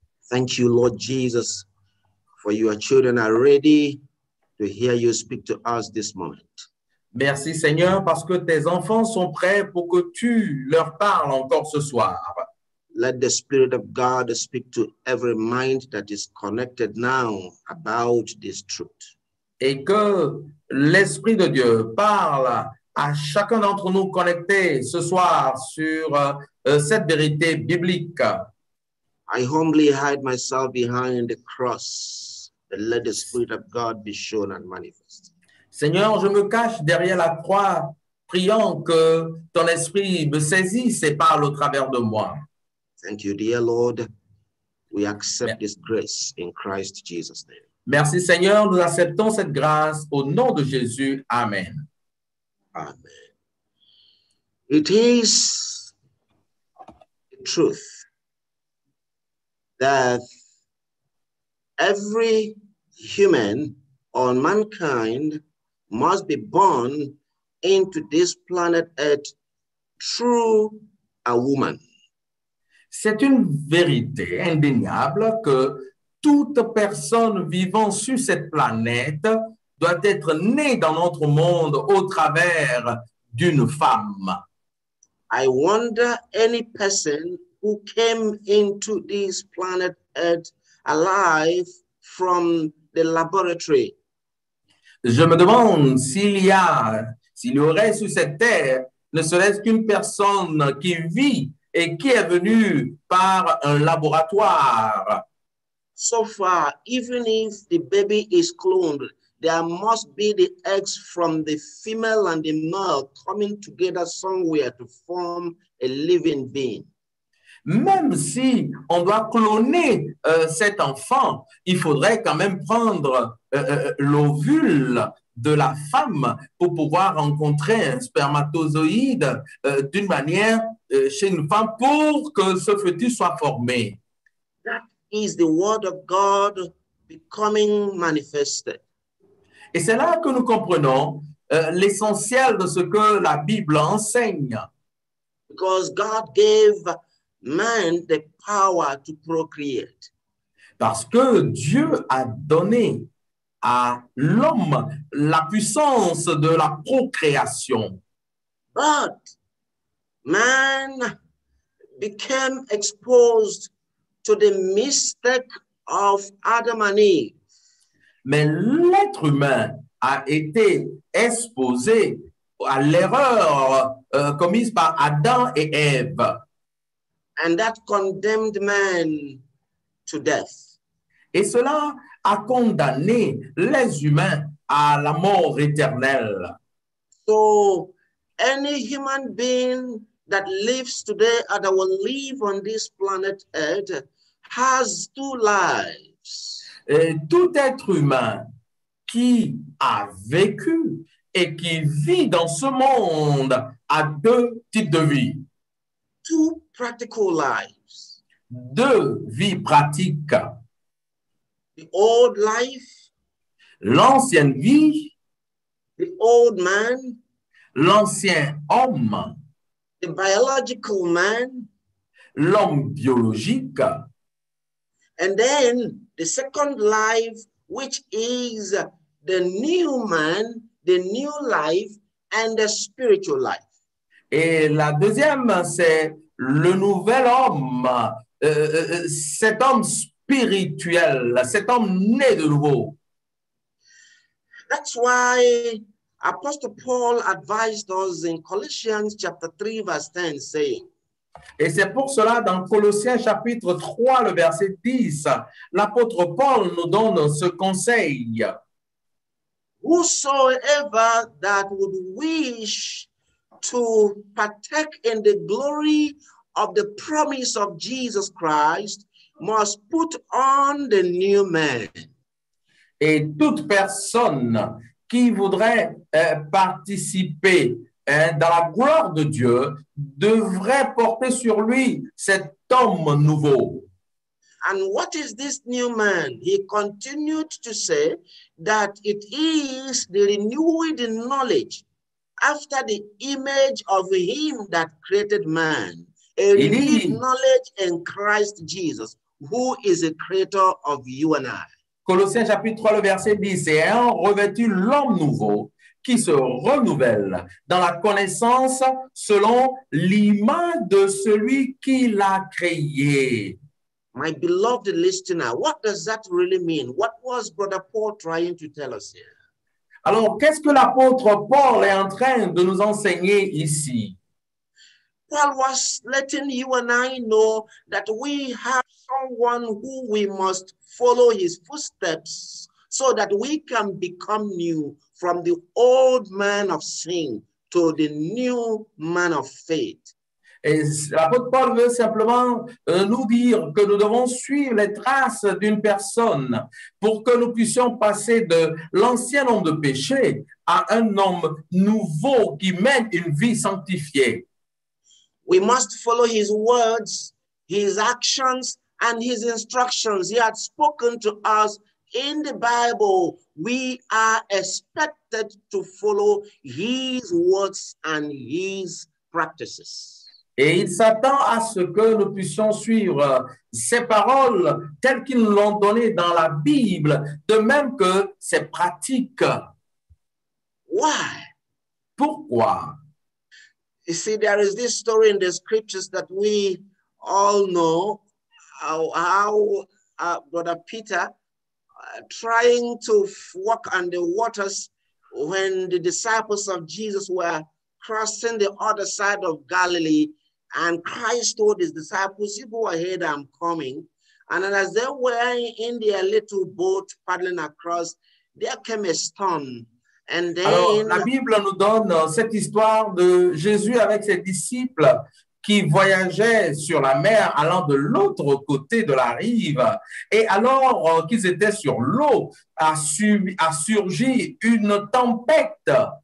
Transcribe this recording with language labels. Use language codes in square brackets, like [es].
[en] Thank you, Lord Jesus, for your children are ready to hear you speak to us this moment. [fr] Merci Seigneur parce que tes enfants sont prêts pour que tu leur parles encore ce soir. [en] Let the Spirit of God speak to every mind that is connected now about this truth. [fr] Et que l'Esprit de Dieu parle à chacun d'entre nous connectés ce soir sur cette vérité biblique. [en] I humbly hide myself behind the cross and let the Spirit of God be shown and manifested. [fr] Seigneur, je me cache derrière la croix, priant que ton esprit me saisisse et parle au travers de moi. [en] Thank you, dear Lord. We accept this grace in Christ Jesus' name. [fr] Merci, Seigneur. Nous acceptons cette grâce au nom de Jésus. [en] Amen. [fr] Amen. [en] It is the truth that every human or mankind must be born into this planet Earth through a woman. [fr] C'est une vérité indéniable que toute personne vivant sur cette planète doit être née dans notre monde au travers d'une femme. [en] I wonder any person who came into this planet Earth alive from the laboratory. [fr] Je me demande s'il y aurait sur cette terre ne serait-ce qu'une personne qui vit et qui est venue par un laboratoire. [en] So far, even if the baby is cloned, there must be the eggs from the female and the male coming together somewhere to form a living being. [fr] Même si on doit cloner cet enfant, il faudrait quand même prendre l'ovule de la femme pour pouvoir rencontrer un spermatozoïde d'une manière chez une femme pour que ce fœtus soit formé. [en] That is the word of God becoming manifested. [fr] Et c'est là que nous comprenons l'essentiel de ce que la Bible enseigne. [en] Because God gave man the power to procreate. [fr] Parce que Dieu a donné à l'homme la puissance de la procréation. [en] But man became exposed to the mistake of Adam and Eve. [fr] Mais l'être humain a été exposé à l'erreur commise par Adam et Ève. [en] And that condemned man to death. [fr] Et cela a condamné les humains à la mort éternelle. [en] So, any human being that lives today or that will live on this planet Earth has two lives. [fr] Et tout être humain qui a vécu et qui vit dans ce monde a deux types de vie. [en] Two practical lives. [fr] Deux vies pratiques. [en] The old life, [fr] l'ancienne vie, [en] the old man, [fr] l'ancien homme, [en] the biological man, [fr] l'homme biologique, [en] and then the second life, which is the new man, the new life, and the spiritual life. [fr] Et la deuxième, c'est le nouvel homme, cet homme spirituel, cet homme né de nouveau. [en] That's why Apostle Paul advised us in Colossians chapter 3, verse 10, saying. [fr] Et c'est pour cela, dans Colossiens chapitre 3, le verset 10, l'apôtre Paul nous donne ce conseil. [en] Whosoever that would wish to partake in the glory of the promise of Jesus Christ must put on the new man. [fr] Et toute personne qui voudrait participer dans la gloire de Dieu devrait porter sur lui cet homme nouveau. [en] And what is this new man? He continued to say that it is the renewed knowledge after the image of him that created man. A renewed knowledge in Christ Jesus, who is the creator of you and I. [fr] Colossiens chapitre 3, le verset 10, et en revêtu l'homme nouveau qui se renouvelle dans la connaissance selon l'image de celui qui l'a créé. [en] My beloved listener, what does that really mean? What was Brother Paul trying to tell us here? [fr] Alors, qu'est-ce que l'apôtre Paul est en train de nous enseigner ici? [en] Paul was letting you and I know that we have someone who we must follow his footsteps so that we can become new from the old man of sin to the new man of faith. [fr] Et l'apôtre Paul veut simplement nous dire que nous devons suivre les traces d'une personne pour que nous puissions passer de l'ancien homme de péché à un homme nouveau qui mène une vie sanctifiée. [en] We must follow his words, his actions, and his instructions. He had spoken to us in the Bible. We are expected to follow his words and his practices. [fr] Et il s'attend à ce que nous puissions suivre ses paroles telles qu'ils nous l'ont donné dans la Bible, de même que ses pratiques. [en] Why? [fr] Pourquoi? [en] You see, there is this story in the scriptures that we all know, how Brother Peter trying to walk on the waters when the disciples of Jesus were crossing the other side of Galilee, and Christ told his disciples, "You go ahead, I'm coming." And as they were in their little boat paddling across, there came a storm. And then, [fr] alors, la Bible nous donne cette histoire de Jésus avec ses disciples qui voyageaient sur la mer allant de l'autre côté de la rive. Et alors qu'ils étaient sur l'eau, a surgi une tempête.